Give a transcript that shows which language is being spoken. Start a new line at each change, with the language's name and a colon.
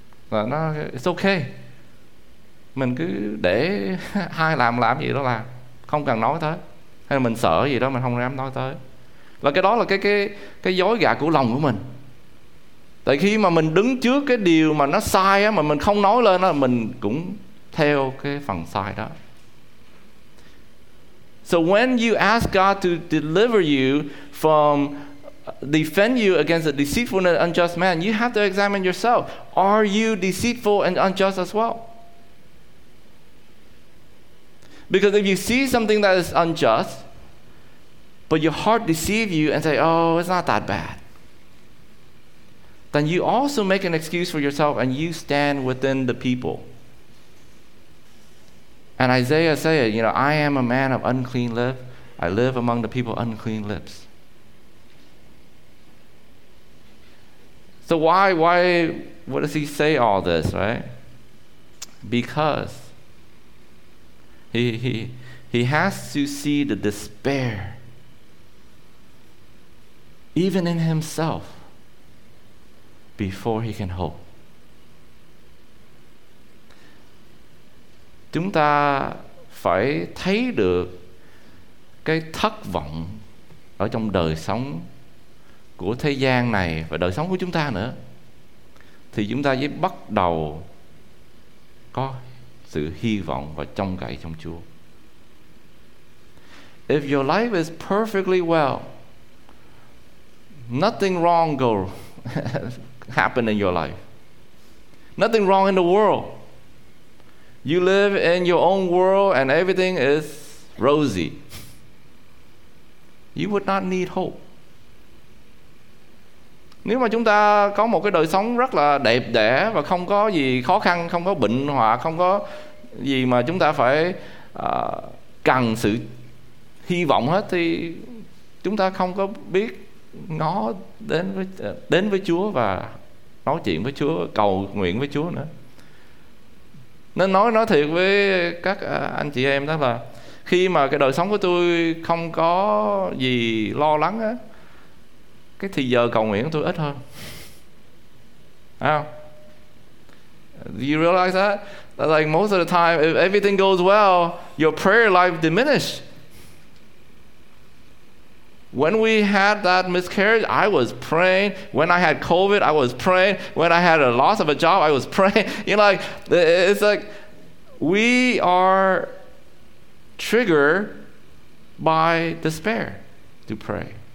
Vietnamese: Là nó,
English: it's okay.
Vietnamese: Mình cứ để ai làm gì đó làm, không cần nói tới. Hay là mình sợ gì đó mình không dám nói tới. Là cái đó là cái dối gạt của lòng của mình. Tại khi mà mình đứng trước cái điều mà nó sai á, mà mình không nói lên á, mình cũng theo cái phần sai đó.
English: So when you ask God to deliver you from defend you against the deceitfulness and unjust man, you have to examine yourself. Are you deceitful and unjust as well? Because if you see something that is unjust, but your heart deceives you and say, oh, it's not that bad, then you also make an excuse for yourself and you stand within the people. And Isaiah said, you know, I am a man of unclean lips. I live among the people unclean lips. So why, what does he say all this, right? Because he has to see the despair, even in himself, before he can hope.
Vietnamese: Chúng ta phải thấy được cái thất vọng ở trong đời sống của thế gian này và đời sống của chúng ta nữa, thì chúng ta mới bắt đầu có sự hy vọng và trông cậy trong Chúa.
English: If your life is perfectly well, nothing wrong go happen in your life. Nothing wrong in the world. You live in your own world and everything is rosy. You would not need hope.
Vietnamese: Nếu mà chúng ta có một cái đời sống rất là đẹp đẽ và không có gì khó khăn, không có bệnh hoạn, không có gì mà chúng ta phải cần sự hy vọng hết, thì chúng ta không có biết ngó đến với Chúa và nói chuyện với Chúa, cầu nguyện với Chúa nữa. Nên nói thiệt với các anh chị em đó là khi mà cái đời sống của tôi không có gì lo lắng á, cái thì giờ cầu nguyện của tôi ít hơn. Không?
English: You realize that? That like most of the time, if everything goes well, your prayer life diminishes. When we had that miscarriage, I was praying. When I had COVID, I was praying. When I had a loss of a job, I was praying. You know, like, it's like we are triggered by despair to pray.